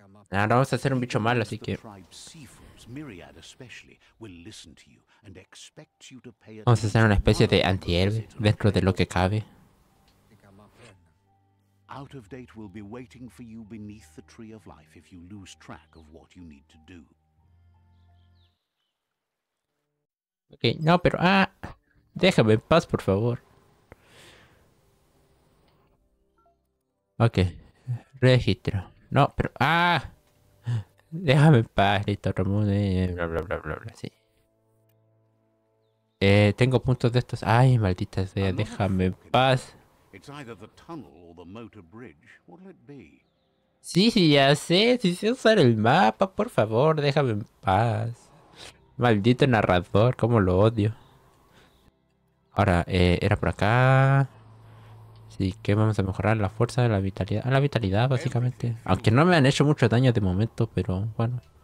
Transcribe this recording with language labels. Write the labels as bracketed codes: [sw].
[es] Ahora vamos a hacer un bicho malo, así que... Vamos a hacer una especie de antihéroe dentro de lo que cabe. [en] Out of date will be waiting for you beneath the Tree of Life if you lose track of what you need to do. [es] Okay, no, pero déjame en paz, por favor. Okay, registro. No, pero déjame en paz, listo, Ramón, bla, bla, bla, bla, bla, sí. Tengo puntos de estos. Ay, maldita sea, déjame en paz. [en] It's either the tunnel or the motor bridge. What'll it be? [es] Sí, sí, ya sé. Si sé usar el mapa, por favor, déjame en paz. Maldito narrador, cómo lo odio. Ahora, era por acá. Sí, ¿qué vamos a mejorar? La fuerza de la vitalidad. La vitalidad, básicamente. Aunque no me han hecho mucho daño de momento, pero bueno.